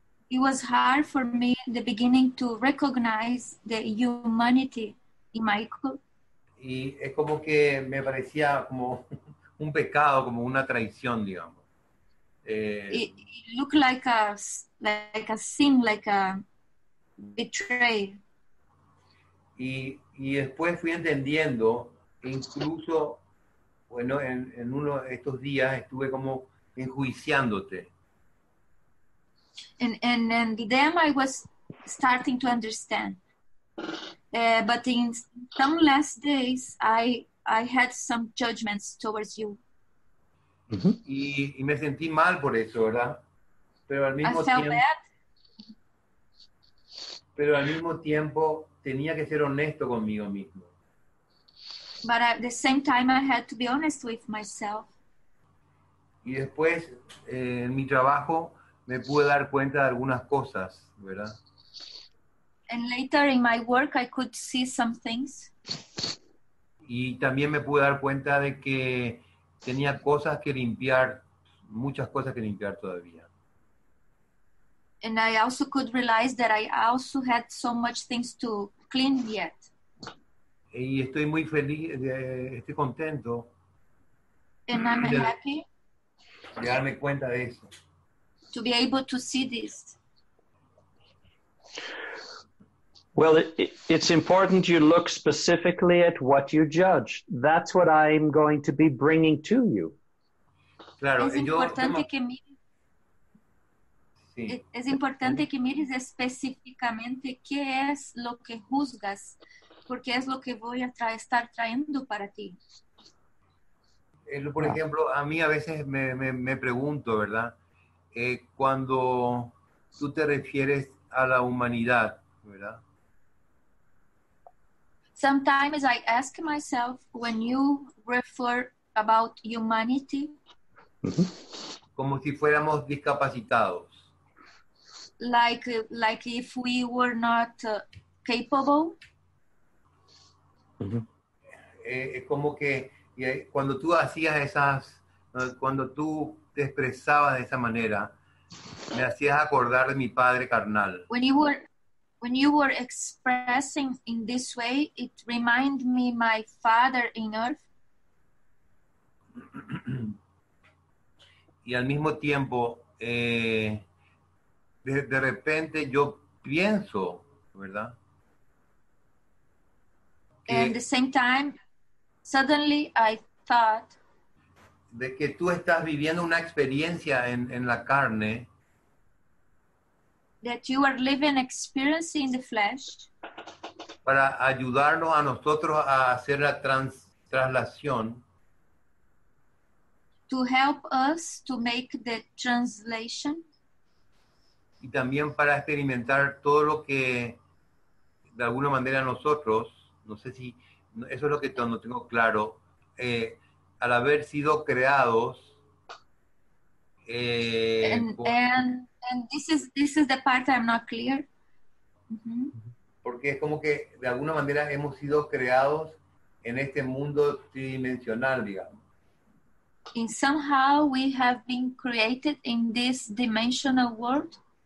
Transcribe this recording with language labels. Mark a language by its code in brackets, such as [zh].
[en] It was hard for me in the beginning to recognize the humanity in Michael. [es] Y es como que me parecía como un pecado, como una traición, digamos. [en] It looked like a sin, like a betrayal. [es] Y después fui entendiendo, incluso, bueno, en uno de estos días estuve como enjuiciándote. [en] And then I was starting to understand. But in some last days, I had some judgments towards you. [es] Mm-hmm. Y me sentí mal por eso, ¿verdad? Pero al mismo tiempo tenía que ser honesto conmigo mismo. [en] But at the same time, I had to be honest with myself. [es] Y después, en mi trabajo, me pude dar cuenta de algunas cosas, ¿verdad? [en] And later in my work, I could see some things. [es] Y también me pude dar cuenta de que tenía cosas que limpiar, muchas cosas que limpiar todavía. [en] And I also could realize that I also had so much things to clean yet. [es] Y estoy muy feliz, estoy contento. [en] And I'm happy. [es] De darme cuenta de eso. [en] To be able to see this. Well, it's important you look specifically at what you judge. That's what I'm going to be bringing to you. [es] Claro, es importante que mires específicamente qué es lo que juzgas, porque es lo que voy a estar trayendo para ti. Por ejemplo, a mí a veces me pregunto, ¿verdad? Cuando tú te refieres a la humanidad, ¿verdad? [en] Sometimes I ask myself when you refer about humanity. [es] Como si fuéramos discapacitados. [en] Like if we were not capable. [es] Es como que cuando tú hacías esas, cuando tú te expresabas de esa manera, me hacías acordar de mi padre carnal. [en] When you were expressing in this way, it reminded me my father in earth. [es] Y al mismo tiempo, de repente yo pienso, ¿verdad? [en] And at the same time, suddenly I thought. [es] De que tú estás viviendo una experiencia en la carne. [en] That you are living experience in the flesh. [es] Para ayudarnos a nosotros a hacer la traslación. [en] To help us to make the translation. [es] y también para experimentar todo lo que de alguna manera nosotros, no sé si eso es lo que no tengo claro, al haber sido creados. [en] And this is the part I'm not clear. Mm-hmm. [es] Porque es como que de alguna manera hemos sido creados en este mundo tridimensional, digamos. [en] In somehow we have been created in this dimensional world.